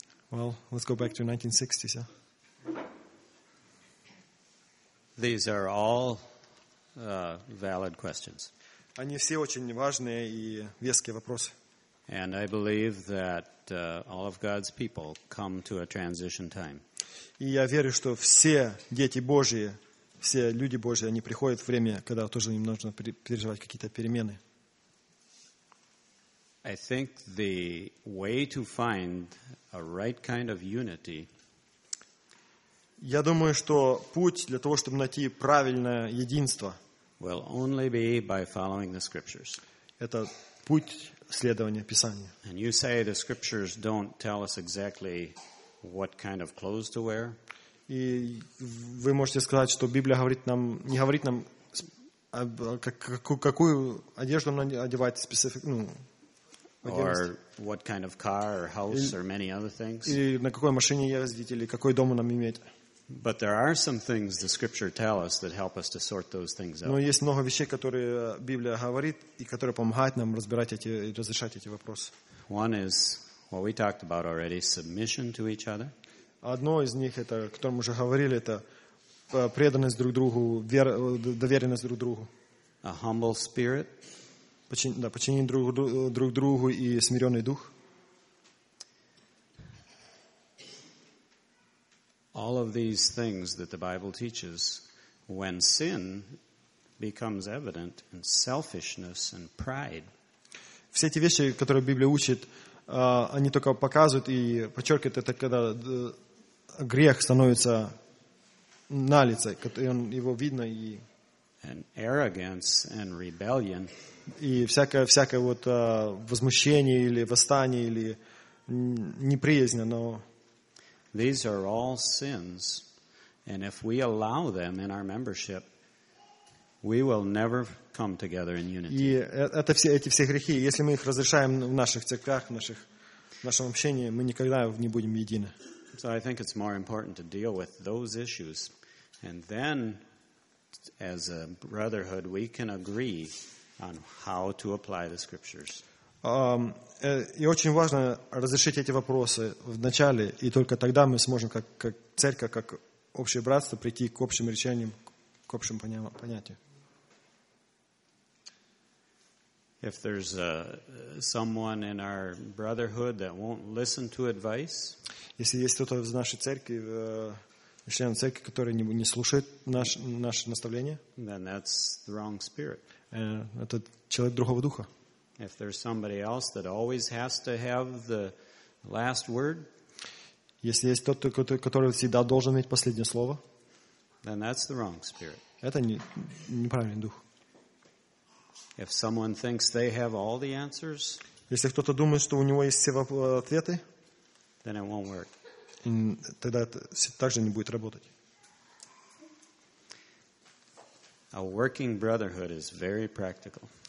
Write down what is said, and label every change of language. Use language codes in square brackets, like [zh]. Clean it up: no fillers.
[en] Well, let's go back to 1960s. Yeah? These are all valid questions. [ru] Они все очень важные и веские вопросы. [en] And I believe that all of God's people come to a transition time. [ru] И я верю, что все дети Божьи, все люди Божьи, они приходят время, когда тоже им нужно переживать какие-то перемены. [en] I think the way to find a right kind of unity. [ru] Я думаю, что путь для того, чтобы найти правильное единство, [en] will only be by following the scriptures. [ru] Это путь следование Писанию. [en] And you say the scriptures don't tell us exactly what kind of clothes to wear. [ru] И вы можете сказать, что Библия говорит нам, не говорит нам, какую одежду нам одевать специфично. [en] Or what kind of car or house or many other things. [ru] И на какой машине ездить или какой дом нам иметь. [en] But there are some things the scripture tell us that help us to sort those things out. [ru] Но есть много вещей, которые Библия говорит и которые помогают нам разбирать эти и разрешать эти вопросы. [en] One is what we talked about already, submission to each other. [ru] Одно из них это, о котором уже говорили, это преданность друг другу, доверенность друг другу. [en] A humble spirit. [ru] Подчинение друг другу и смиренный дух. [en] All of these things that the Bible teaches, when sin becomes evident in selfishness and pride. [ru] Все эти вещи, которые Библия учит, они только показывают и подчеркивают это, когда грех становится на лице, его видно и. [en] And arrogance and rebellion. [ru] И всякое вот возмущение или восстание или неприязнь, но. [en] These are all sins, and if we allow them in our membership, we will never come together in unity. [ru] И это все эти все грехи, если мы их разрешаем в наших церквях, в нашем общении, мы никогда не будем едины. [en] So I think it's more important to deal with those issues, and then, as a brotherhood, we can agree on how to apply the scriptures. [ru] И очень важно разрешить эти вопросы в начале, и только тогда мы сможем, как церковь, как общее братство, прийти к общим решениям, к общему понятию. [en] If there's someone in our brotherhood that won't listen to advice, [ru] если есть кто-то в нашей церкви, член церкви, который не слушает наши наставления, [en] then that's the wrong spirit. [ru] Это человек другого духа. [en] If there's somebody else that always has to have the last word, [ru] если есть тот, который всегда должен иметь последнее слово, [en] then that's the wrong spirit. [ru] Это неправильный дух. [en] If someone thinks they have all the answers, [ru] если кто-то думает, что у него есть все ответы, [en] then it won't work. [ru] Тогда это также не будет работать. [en] A working brotherhood is very practical.